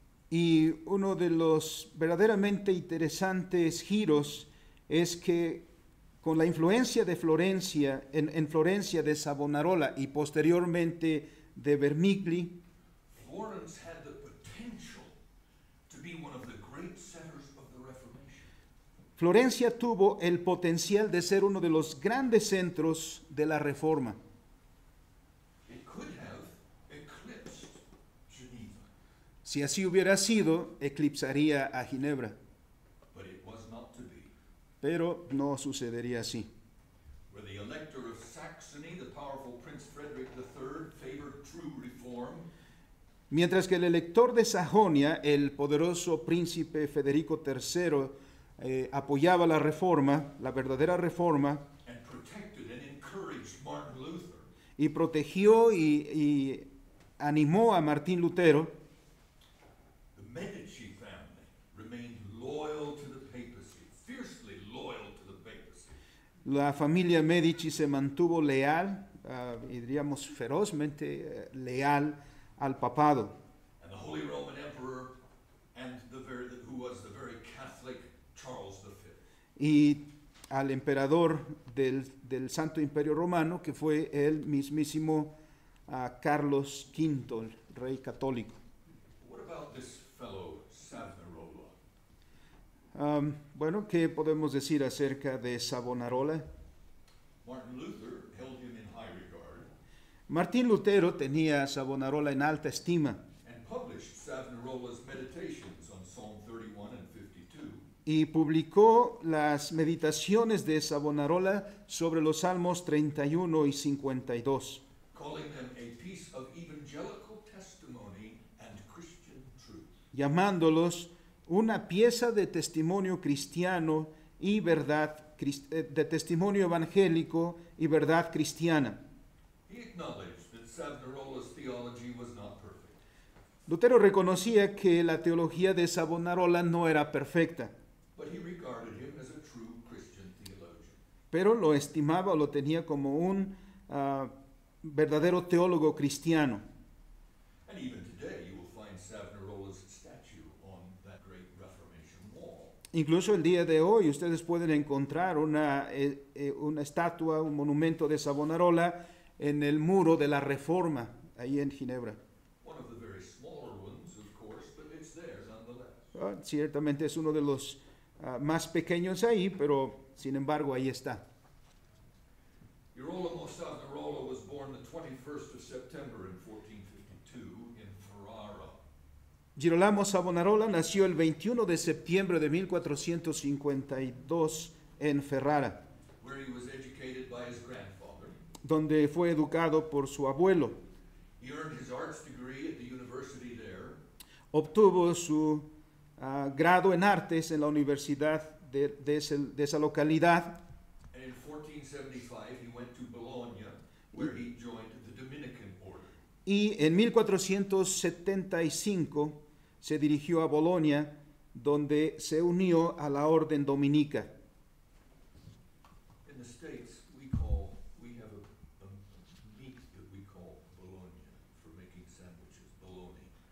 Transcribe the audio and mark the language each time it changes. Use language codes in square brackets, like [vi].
[es] Y uno de los verdaderamente interesantes giros es que con la influencia de Florencia, en Florencia de Savonarola y posteriormente de Vermigli, [en] Florence had the potential to be one of the great centers of the Reformation. [es] Florencia tuvo el potencial de ser uno de los grandes centros de la Reforma. [en] It could have eclipsed Geneva. [es] Si así hubiera sido, eclipsaría a Ginebra. [en] But it was not to be. [es] Pero no sucedería así. [en] Where the Elector of Saxony, the powerful Prince Frederick III, favored true reform. [es] Mientras que el elector de Sajonia, el poderoso príncipe Federico III, apoyaba la reforma, la verdadera reforma, [en] and protected and encouraged Martin Luther, [es] y protegió y animó a Martín Lutero, [en] the Medici family remained loyal to the papacy, fiercely loyal to the papacy. [es] La familia Medici se mantuvo leal, diríamos ferozmente leal, al papado. [en] And the Holy Roman Emperor and the very, who was the very Catholic Charles V. [es] Y al emperador del Santo Imperio Romano, que fue el mismísimo Carlos V, el rey católico. [en] What about this fellow Savonarola? [es] Bueno, ¿qué podemos decir acerca de Savonarola? [en] Martin Luther held him in high regard. [es] Martín Lutero tenía a Savonarola en alta estima. [en] And published Savonarola's meditations on Psalm 31 and 52. [es] Y publicó las meditaciones de Savonarola sobre los Salmos 31 y 52. [en] Calling them a piece of evangelical testimony and Christian truth. [es] Llamándolos una pieza de testimonio cristiano y verdad, de testimonio evangélico y verdad cristiana. [en] He acknowledged that Savonarola's theology was not perfect. [es] Lutero reconocía que la teología de Savonarola no era perfecta. [en] But he regarded him as a true Christian theologian. [es] Pero lo estimaba o lo tenía como un verdadero teólogo cristiano. [en] And even today you will find Savonarola's statue on that great Reformation wall. [es] Incluso el día de hoy ustedes pueden encontrar una estatua, un monumento de Savonarola en el muro de la Reforma, ahí en Ginebra. [en] One of the very smaller ones, of course, but it's there nonetheless. [es] Ciertamente es uno de los más pequeños ahí, pero sin embargo ahí está. [en] Girolamo Savonarola was born the 21st of September in 1452 in Ferrara. [es] Girolamo Savonarola nació el 21 de septiembre de 1452 en Ferrara, [en] where he was educated by his grandfather, [es] donde fue educado por su abuelo. [en] He earned his arts degree at the university there. [es] Obtuvo su grado en artes en la universidad de esa localidad. [en] And in 1475 he went to Bologna, where he joined the Dominican order. [es] Y en 1475 se dirigió a Bologna, donde se unió a la orden dominica. [en] In the States we have a meat that we call Bologna for making sandwiches, bologna.